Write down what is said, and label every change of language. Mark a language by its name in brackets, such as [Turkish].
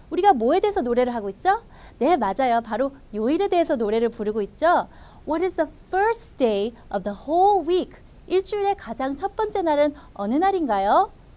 [Korean] 우리가 뭐에 대해서 노래를 하고 있죠? 네, 맞아요. 바로 요일에 대해서 노래를 부르고 있죠. [English] What is the first day of the whole week? [Korean] 일주일의 가장 첫 번째 날은 어느 날인가요?